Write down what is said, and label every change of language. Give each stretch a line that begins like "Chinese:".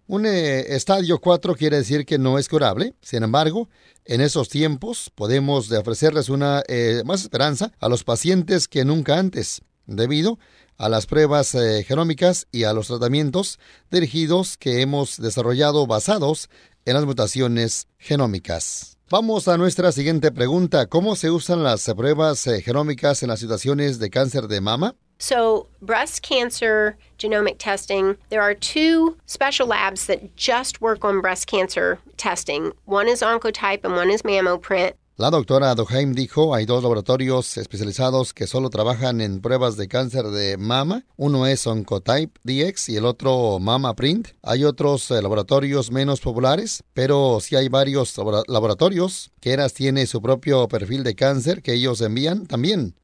Spanish: Un estadio 4 quiere decir que no es curable. Sin embargo, en esos tiempos podemos ofrecerles una más esperanza a los pacientes que nunca antes, debido a las pruebas genómicas y a los tratamientos dirigidos que hemos desarrollado basados en las mutaciones genómicas. Vamos a nuestra siguiente pregunta. ¿Cómo se usan las pruebas genómicas en las situaciones de cáncer de mama?
English: So, breast cancer genomic testing, there are 2 special labs that just work on breast cancer testing. One is Oncotype and one is MammoPrint.
Spanish: La doctora Doheim dijo, hay 2 laboratorios especializados que solo trabajan en pruebas de cáncer de mama. Uno es Oncotype DX y el otro MammaPrint. Hay otros laboratorios menos populares, pero sí hay varios laboratorios. Keras tiene su propio perfil de cáncer que ellos envían también.